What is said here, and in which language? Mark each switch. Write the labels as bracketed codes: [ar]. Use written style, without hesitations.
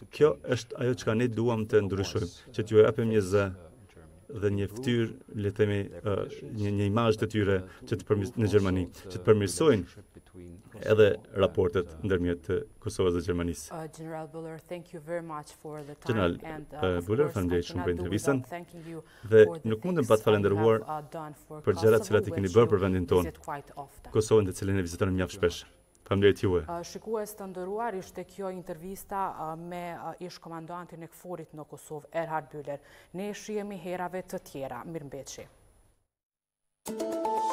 [sq] Kjo është ajo që ne duam të ndryshojmë, që t'ju japim një zë dhe një fytyrë, le të themi, një imazh të tyre që të përmirësojnë në Gjermani, që të përmirësojnë edhe raportet ndërmjet Kosovës dhe Gjermanisë. [en] General Buhler, thank you very much for the time. [sq] General Buhler, faleminderit shumë për intervistën. Dhe nuk mundem pa të falendëruar për gjërat që ti keni bërë për vendin tonë, Kosovën, të cilën e vizitoni mjaft shpesh. Faleminderit juve. Shikues të nderuar, ishte kjo intervista me ish-komandantin e Kforit në Kosovë, Erhard Buhler. Ne shihemi herave të tjera. Mirëmbëçi.